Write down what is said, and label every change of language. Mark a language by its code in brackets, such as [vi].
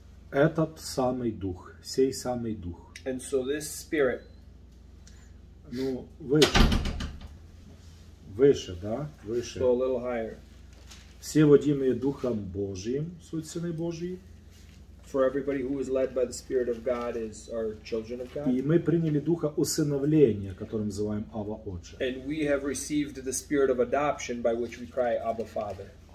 [ru] Этот самый дух, сей самый дух. [en] And so this spirit. [ru] Ну, выше. Выше, да? Выше. [en] So a little higher. [ru] Все водимые Духом Божиим, суть Сыны Божьей. [en] For everybody who is led by the Spirit of God is our children of God. [ru] И мы приняли Духа усыновления, которым называем Ава Отче. [en] And we have received the Spirit of adoption by which we cry Abba Father.